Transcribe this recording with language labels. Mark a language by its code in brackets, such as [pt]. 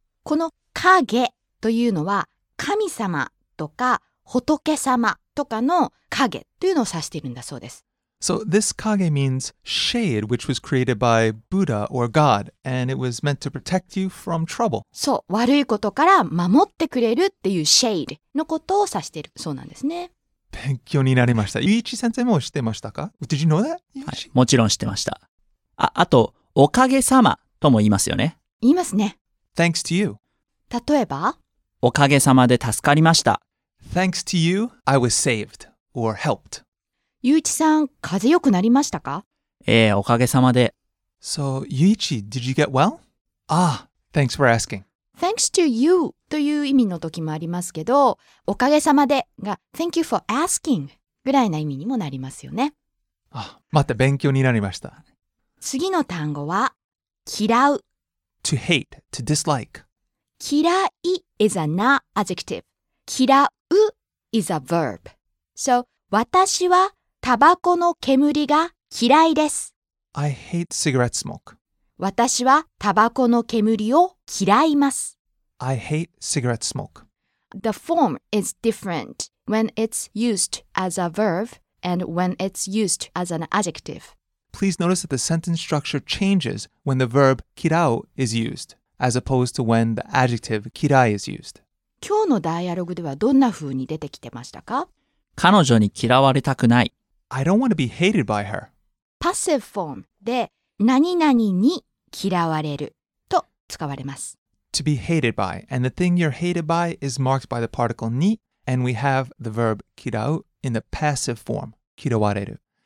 [ja] このかげというのは神様とか仏様とかの影というのを指しているんだそうです。 [en] So this kage means shade, which was created by Buddha or God, and it was meant to protect you from trouble. [ja] そう、悪いことから守ってくれるっていうシェイドのことを指しているそうなんですね。勉強になりました。ゆいち先生も知ってましたか？ [en] Did you know that? [ja] はい、もちろん知ってました。あと、おかげさまとも言いますよね。言いますね。 [en] Thanks to you. [ja] 例えば、おかげさまで助かりました。 [en] Thanks to you, I was saved or helped. [ja] ゆういちさん、風邪よくなりましたか？ええ、おかげさまで。 [en] So, ゆういち, did you get well? Ah, thanks for asking. Thanks to you [ja] という意味の時もありますけど、おかげさまでが [en] Thank you for asking [ja] ぐらいな意味にもなりますよね。あ、また勉強になりました。次の単語は、嫌う。 [en] To hate, to dislike. 嫌い is a noun adjective. 嫌う is a verb. So, [ja] 私はタバコの煙が嫌いです。 [en] I hate cigarette smoke. [ja] 私はタバコの煙を嫌います。 [en] I hate cigarette smoke. The form is different when it's used as a verb and when it's used as an adjective. Please notice that the sentence structure changes when the verb 嫌う is used, as opposed to when the adjective 嫌い is used. [ja] 今日のダイアログではどんな風に出てきてましたか？彼女に嫌われたくない。 [en] I don't want to be hated by her. Passive form [ja] で何々に嫌われると使われます。 [en] To be hated by. And the thing you're hated by is marked by the particle に. And we have the verb 嫌う in the passive form. [ja] 嫌われる。